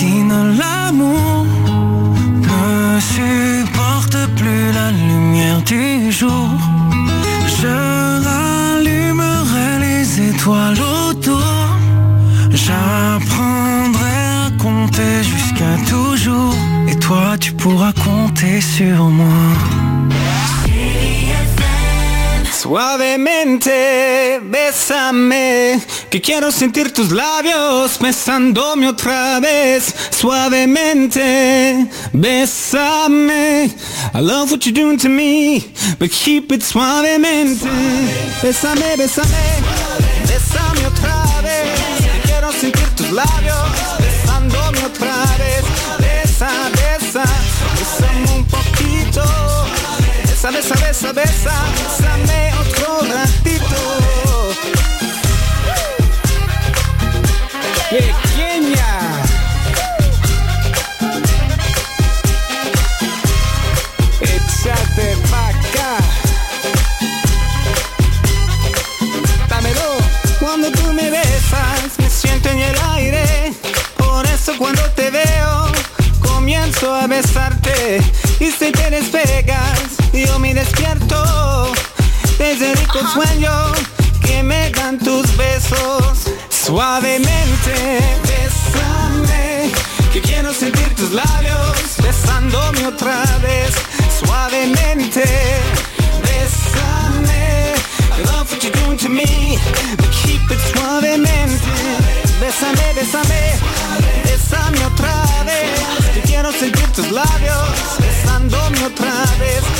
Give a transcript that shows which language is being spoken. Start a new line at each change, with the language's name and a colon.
French: l'amour ne supporte plus la lumière du jour. Je rallumerai les étoiles autour. J'apprendrai à compter jusqu'à toujours. Et toi, tu pourras compter sur moi.
Spanish: Suavemente, bésame, que quiero sentir tus labios besándome otra vez. Suavemente, bésame,
English: I love what you're doing to me, but keep it suavemente.
Spanish: Bésame, bésame, bésame otra vez, que quiero sentir tus labios besándome otra vez. Besa, besa, besame un poquito. Besa, besa, besa, besa, besame otro ratito. Pequeña. Échate pa' acá. Dámelo. Cuando tú me besas, me siento en el aire. Por eso cuando te veo, comienzo a besarte. Y si te despegas, yo me despierto. Desde rico sueño, que me dan tus besos. Suavemente, bésame, que quiero sentir tus labios besándome otra vez. Suavemente, bésame,
English: I love what you're doing to me, but keep it suavemente.
Spanish: Bésame, bésame, bésame otra vez, que quiero sentir tus labios besándome otra vez.